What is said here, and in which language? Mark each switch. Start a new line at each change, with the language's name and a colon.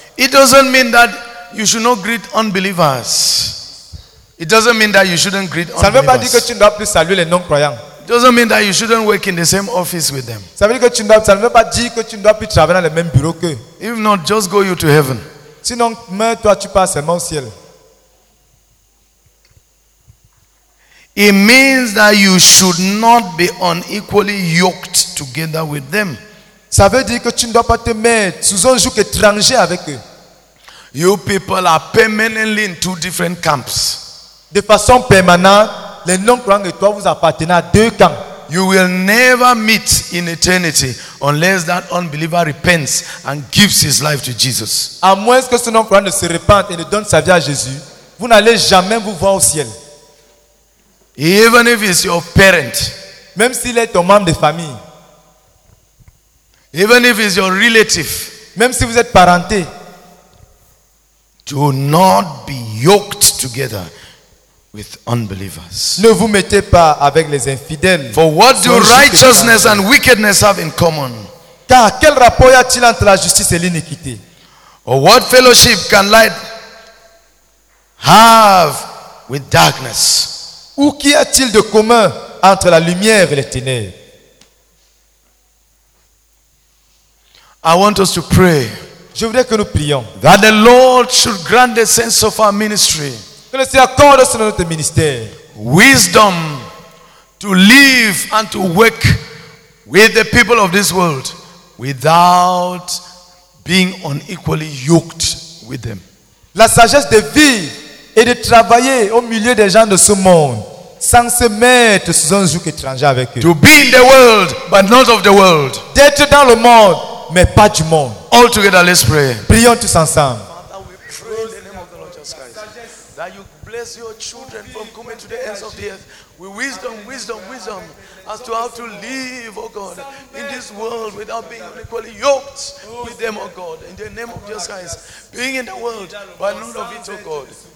English: It doesn't mean that you should not greet unbelievers. It doesn't mean that you shouldn't greet unbelievers.
French: Ça ne veut pas dire que tu ne dois plus saluer les non-croyants.
English: It doesn't mean that you shouldn't work in the same office with them.
French: Ça veut dire que tu ne dois, ça ne veut pas dire que tu ne dois plus travailler dans le même bureau qu'eux.
English: If not, just go you to heaven.
French: Sinon, meurs-toi, tu passes seulement au ciel.
English: It means that you should not be unequally yoked together with them.
French: Ça veut dire que tu ne dois pas te mettre sous un joug étranger avec eux.
English: You people are permanently in two different camps.
French: De façon permanente, les non-croyants et toi, vous appartenez à deux camps.
English: You will never meet in eternity unless that unbeliever repents and gives his life to Jesus.
French: À moins que ce non-croyant ne se repente et ne donne sa vie à Jésus, vous n'allez jamais vous voir au ciel.
English: Even if it's your parent.
French: Même s'il est ton membre de famille.
English: Even if it's your relative.
French: Même si vous êtes parenté.
English: Do not be yoked together with unbelievers.
French: Ne vous mettez pas avec les infidèles.
English: For what do righteousness and wickedness have in common?
French: Car quel rapport y a-t-il entre la justice et l'iniquité?
English: Or what fellowship can light have with darkness?
French: Ou qu'y a-t-il de commun entre la lumière et les ténèbres?
English: I want us to pray.
French: Je voudrais que nous prions.
English: That the Lord should grant the sense of our ministry.
French: Que le Seigneur accorde à notre ministère.
English: Wisdom to live and to work with the people of this world without being unequally yoked with them.
French: La sagesse de vivre et de travailler au milieu des gens de ce monde sans se mettre sous un joug étranger avec eux.
English: To be in the world but not of the world.
French: D'être dans le monde mais pas du monde.
English: All together, let's pray.
French: Prions tous ensemble.
English: Father, we pray in the name of the Lord Jesus Christ that you bless your children from coming to the ends of the earth with wisdom, wisdom, wisdom as to how to live, oh God, in this world without being unequally yoked with them, oh God, in the name of Jesus Christ, being in the world but none of it, oh God.